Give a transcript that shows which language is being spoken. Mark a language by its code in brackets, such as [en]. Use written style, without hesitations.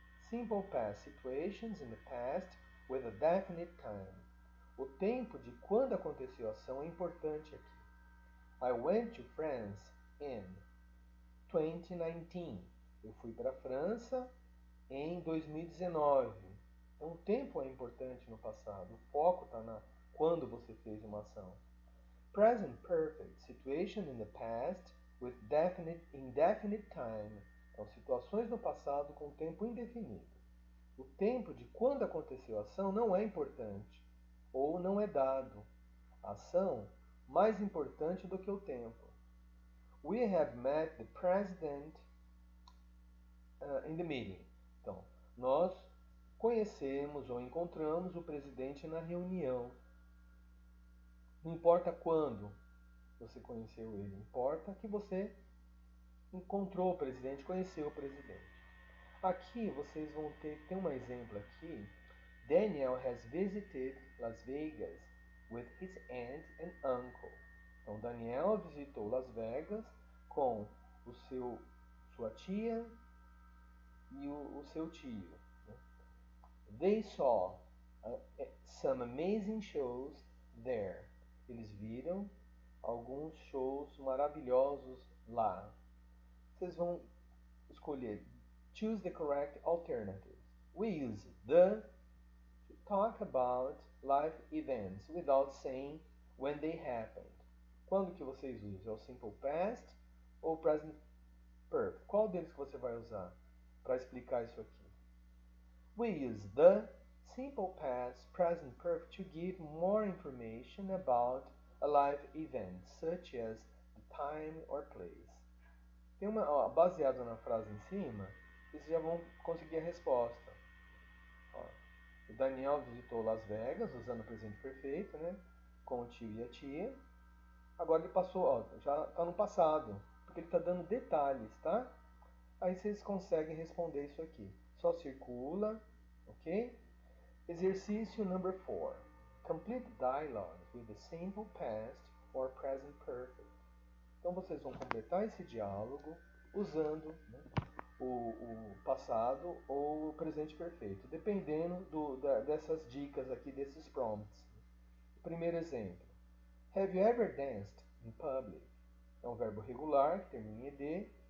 [en] Simple past situations in the past with a definite time. [pt] O tempo de quando aconteceu a ação é importante aqui. [en] I went to France in 2019. [pt] Eu fui para a França em 2019. Então, o tempo é importante no passado. O foco está na quando você fez uma ação. [en] Present perfect, situation in the past with definite, indefinite time. [pt] Então, situações no passado com tempo indefinido. O tempo de quando aconteceu a ação não é importante ou não é dado. A ação mais importante do que o tempo. [en] We have met the president in the meeting. [pt] Então, nós conhecemos ou encontramos o presidente na reunião. Não importa quando você conheceu ele, importa que você encontrou o presidente, conheceu o presidente. Aqui vocês vão ter um exemplo aqui. [en] Daniel has visited Las Vegas with his aunt and uncle. [pt] Então, Daniel visitou Las Vegas com sua tia e o seu tio. [en] They saw some amazing shows there. [pt] Eles viram alguns shows maravilhosos lá. Vocês vão escolher. [en] Choose the correct alternatives. We use the to talk about life events without saying when they happened. [pt] Quando que vocês usam? É o simple past ou o present perfect? Qual deles que você vai usar para explicar isso aqui? [en] We use the simple past present perfect to give more information about a life event, such as the time or place. [pt] Tem uma, ó, baseado na frase em cima, vocês já vão conseguir a resposta. O Daniel visitou Las Vegas usando o presente perfeito, né, com o tio e a tia. Agora ele passou, ó, já está no passado, porque ele está dando detalhes, tá? Aí vocês conseguem responder isso aqui. Só circula, ok? Exercício number 4. [en] Complete dialogue with the simple past or present perfect. [pt] Então vocês vão completar esse diálogo usando, né, o passado ou o presente perfeito, dependendo dessas dicas aqui, desses prompts. Primeiro exemplo. [en] Have you ever danced in public? [pt] É um verbo regular, que termina em ED.